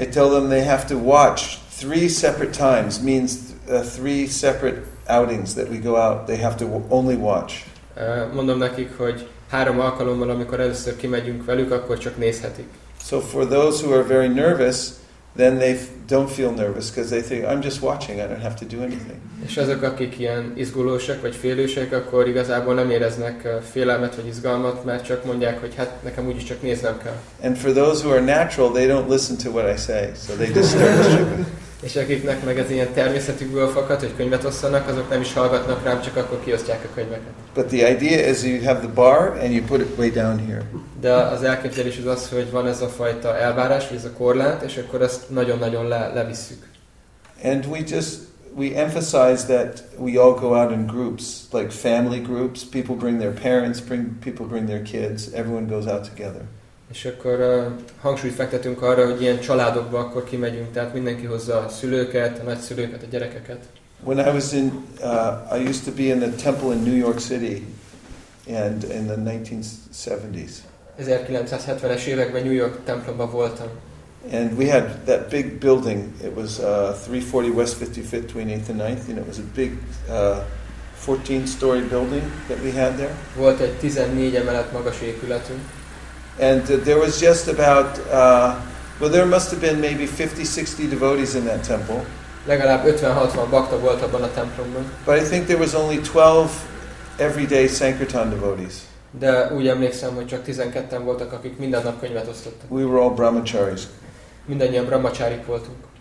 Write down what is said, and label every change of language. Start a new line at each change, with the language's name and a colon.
English: I tell them they have to watch three separate times, means three separate outings that we go out, they have to only watch.
Hungarian: Mondom nekik, hogy három alkalommal, amikor először kimegyünk velük, akkor csak nézhetik.
English: So for those who are very nervous, then they don't feel nervous because they think, I'm just watching, I don't have to do anything.
Hungarian: És azok, akik ilyen izgulósak vagy félősek, akkor igazából nem éreznek félelmet vagy izgalmat, mert csak mondják, hogy hát nekem úgyis csak néznem kell.
English: And for those who are natural, they don't listen to what I say, so they just start distributing.
Hungarian: És akiknek meg ez ilyen természetükből fakad, hogy könyvet osszanak, azok nem is hallgatnak rám, csak akkor kiosztják a könyveket.
English: But the idea is you have the bar and you put it way down here.
Hungarian: De az elképzelés az az, hogy van ez a fajta elvárás, vagy ez a korlát, és akkor ezt nagyon-nagyon levisszük.
English: And we emphasize that we all go out in groups, like family groups. People bring their parents, people bring their kids. Everyone goes out together.
Hungarian: És akkor hangsúlyt fektetünk arra, hogy ilyen családokba akkor kimegyünk, tehát mindenki hozza a szülőket, a nagyszülőket, a gyerekeket.
English: When I was in, I used to be in a temple in New York City, and in the 1970s.
Hungarian: 1970-es években New York templomba voltam.
English: And we had that big building. It was 340 West 55th between 8th and 9th. And it was a big 14-story building that we had there.
Hungarian: Volt egy 14 emelet magas épületünk.
English: And there was just about, there must have been maybe 50-60 devotees in that temple.
Hungarian: Legalább 50-60 bakta volt abban a templomban.
English: But I think there was only 12 everyday Sankirtan devotees.
Hungarian: De úgy emlékszem, hogy csak 12-en voltak, akik minden nap könyvet osztottak.
English: We were all brahmacharis.
Hungarian: Mindannyian brahmacharik voltunk.